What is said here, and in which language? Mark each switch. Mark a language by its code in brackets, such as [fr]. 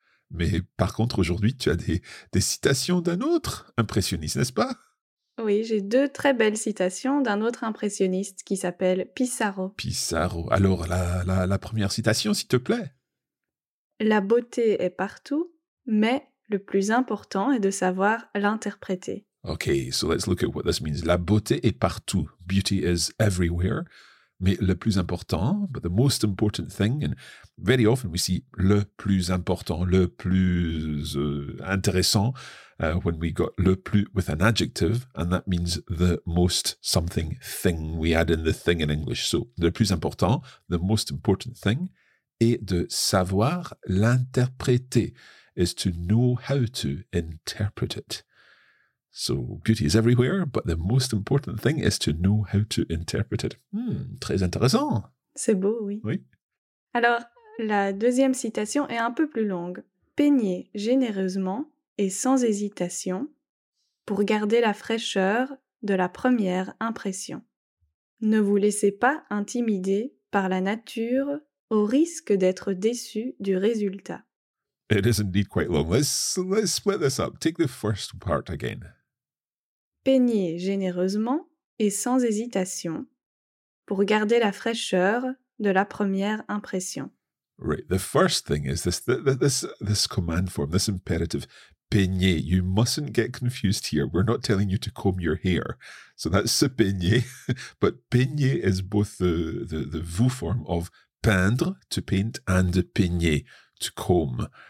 [fr] Mais par contre, aujourd'hui, tu as des citations d'un autre impressionniste, n'est-ce pas? Oui, j'ai deux très belles citations d'un autre impressionniste qui s'appelle Pissarro. Pissarro. Alors, la première citation, s'il te plaît. La beauté est partout, mais le plus important est de savoir l'interpréter. [en] Ok, so let's look at what this means. [fr] La beauté est partout. [en] Beauty is everywhere. [fr] Mais le plus important, [en] but the most important thing, and very often we see [fr] le plus important, le plus intéressant, [en] when we got le plus with an adjective, and that means the most something thing, we add in the thing in English. So, [fr] le plus important, [en] the most important thing, [fr] est de savoir l'interpréter, [en] is to know how to interpret it. So, beauty is everywhere, but the most important thing is to know how to interpret it. [fr] Très intéressant. C'est beau, oui. Oui. Alors, la deuxième citation est un peu plus longue. Peignez généreusement et sans hésitation pour garder la fraîcheur de la première impression. Ne vous laissez pas intimider par la nature au risque d'être déçu du résultat. [en] It is indeed quite long. Let's split this up. Take the first part again. [fr] Peignez généreusement et sans hésitation pour garder la fraîcheur de la première impression. [en] Right. The first thing is this command form, this imperative. Peignez. You mustn't get confused here. We're not telling you to comb your hair. So that's se peigner. But peigner is both the vous form of peindre, to paint, and peigner, to comb.